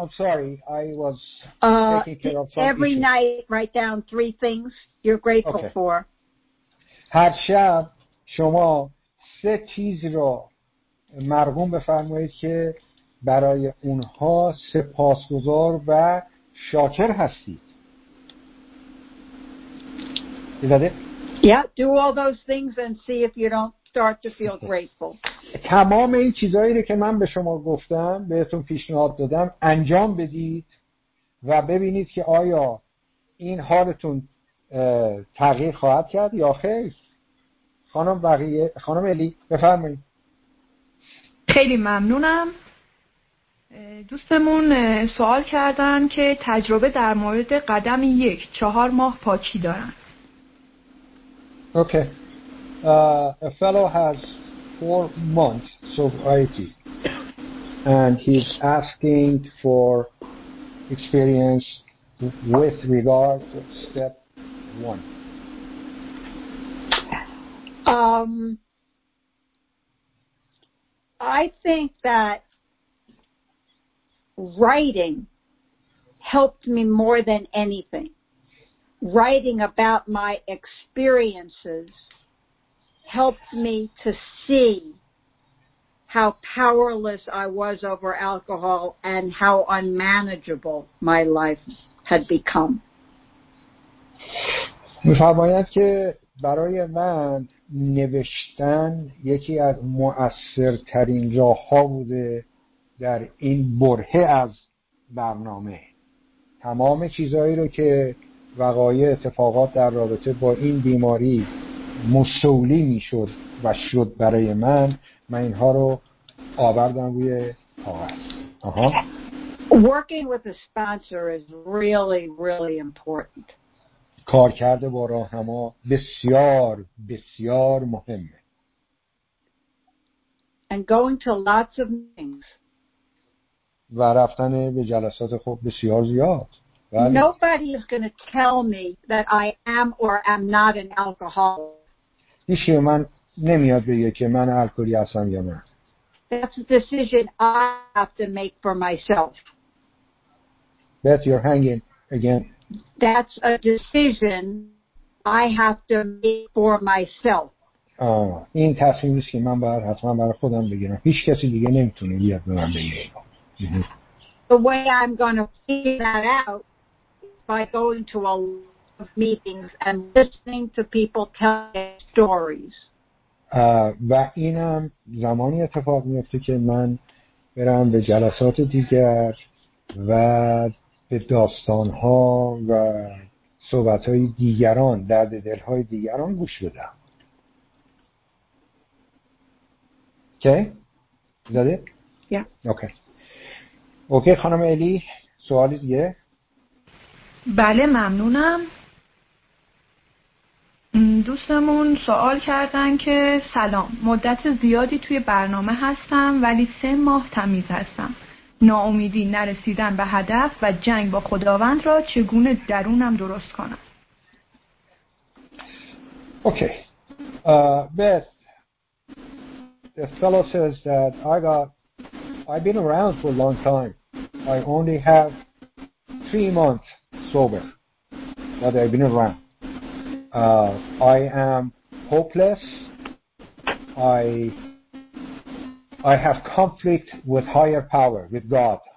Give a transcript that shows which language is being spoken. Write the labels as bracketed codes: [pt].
[en] I'm sorry, I was taking care of some every issues. Night, write down three things you're grateful okay. for. [fa] هر شب شما سه چیز رو مرغوم بفرمایید که برای اونها سپاسگزار و شاکر هستید. [en] Is that it? Yeah, do all those things and see if you don't start to feel grateful. [fa] تمام این چیزایی که من به شما گفتم بهتون پیشنهاد دادم انجام بدید و ببینید که آیا این حالتون تغییر خواهد کرد یا خیر. خانم بقیه، خانم علی بفرمایید. خیلی ممنونم. دوستمون سوال کردن که تجربه در مورد قدم یک 4 ماه پاکی دارن. اوکی. [en] A fellow has 4 months sobriety and he's asking for experience with regard to step one. I think that writing helped me more than anything. Writing about my experiences helped me to see how powerless I was over alcohol and how unmanageable my life had become. [fa] می‌فرماید که برای من نوشتن یکی از مؤثرترین راه‌ها بوده در این برهه از برنامه. تمام چیزهایی رو که وقایع اتفاقات در رابطه با این بیماری مسئولی میشد و شد برای من، من اینها رو آوردم روی کاغذ. [en] Working with a sponsor is really, really important. [fa] کار کرده با راهنما بسیار بسیار مهمه. [en] And going to lots of meetings. [fa] و رفتن به جلسات خوب بسیار زیاد. بله. [en] Nobody is going to tell me that I am or am not an alcoholic. [fa] هیچی من نمیاد بگه که من الکلی هستم یا نه. [en] That's a decision I have to make for myself. Beth, you're hanging again. That's a decision I have to make for myself. [fa] این تصمیمی است که من باید حتما برای خودم بگیرم. هیچ کسی دیگه نمیتونه بیاد به من بگه. [en] The way I'm going to figure that out is by going to a lot of meetings and listening to people tell their stories. [fa] و اینم زمانی اتفاق میفته که من برم به جلسات دیگر و به داستانها و صحبتهای دیگران، درد دلهای دیگران گوش بدم. اوکی؟ زده؟ [en] yeah. [fa] اوکی خانم الی، سوالی دیگه؟ بله ممنونم. دوستمون سوال کردن که سلام، مدت زیادی توی برنامه هستم ولی 3 ماه تمیز هستم. ناامیدی، نرسیدن به هدف و جنگ با خداوند را چگونه درونم درست کنم؟ اوکی. [en] Beth, the fellow says that I've been around for a long time. I only have 3 months sober that I've been around. I am hopeless. I have conflict with higher power, with God.